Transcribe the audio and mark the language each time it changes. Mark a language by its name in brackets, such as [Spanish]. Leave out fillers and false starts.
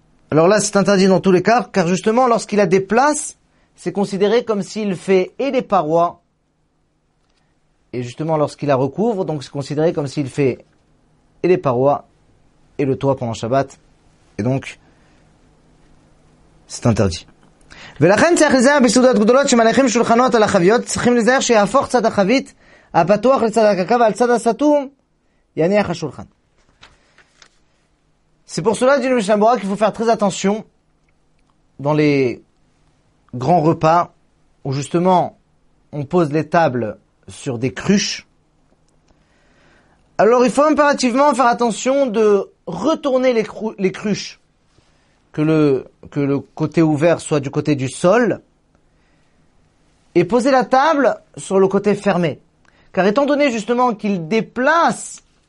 [French] alors là c'est interdit dans tous les cas, car justement lorsqu'il la déplace, c'est considéré comme s'il fait et les parois, et justement lorsqu'il la recouvre, donc c'est considéré comme s'il fait et les parois et le toit pendant Shabbat, et donc c'est interdit. [Hebrew] ולכן צריך לזהר בסעודות גדולות שמניחים שולחנות על החביות, צריכים לזהר שיהפוך צד החבית הפתוח לצד הקרקע ועל צד הסתום יניח השולחן. [French] C'est pour cela, dit le Mishnah Moreh, qu'il faut faire très attention dans les grands repas où justement on pose les tables sur des cruches. Alors il faut impérativement faire attention de retourner les cruches, que le côté ouvert soit du côté du sol, et poser la table sur le côté fermé. Car étant donné justement qu'il déplace